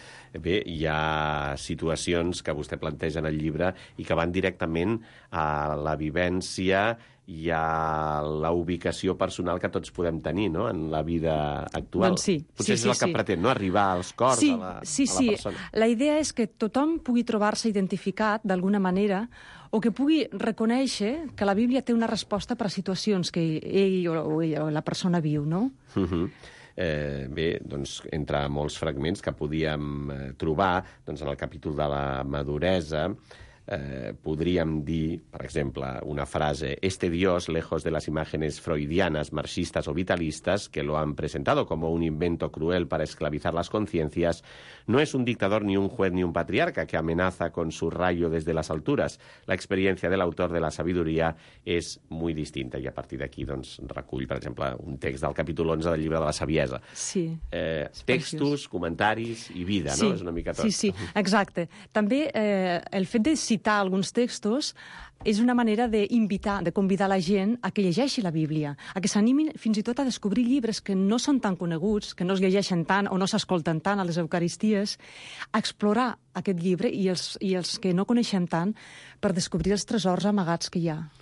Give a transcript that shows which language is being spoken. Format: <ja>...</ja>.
<ca>Bé, hi ha situacions que vostè planteja en el llibre i que van directament a la vivència i a la ubicació personal que tots podem tenir, no?, en la vida actual. Doncs sí. Potser sí, és el que pretén, no?, arribar als cors sí, a la, sí, a la sí. persona. La idea és que tothom pugui trobar-se identificat d'alguna manera o que pugui reconèixer que la Bíblia té una resposta per a situacions que ell o la persona viu, no? Bé, doncs, entre molts fragments que podíem trobar, doncs, en el capítol de la maduresa, podríem dir, per exemple, una frase:</ca> <es>este Dios, lejos de las imágenes freudianas, marxistas o vitalistas, que lo han presentado como un invento cruel para esclavizar las conciencias, no es un dictador, ni un juez, ni un patriarca que amenaza con su rayo desde las alturas. La experiencia del autor de la sabiduría es muy distinta.</es> <ca>I a partir d'aquí, doncs, recull, per exemple, un text del capítol 11 del llibre de la saviesa. Sí. Textos, comentaris i vida, sí, no? És una mica tot. Sí, sí, exacte. També el fet de citar alguns textos és una manera d'invitar, de convidar la gent a que llegeixi la Bíblia, a que s'animin fins i tot a descobrir llibres que no són tan coneguts, que no es llegeixen tant o no s'escolten tant a les eucaristies, a explorar aquest llibre i els que no coneixem tant per descobrir els tresors amagats que hi ha.</ca>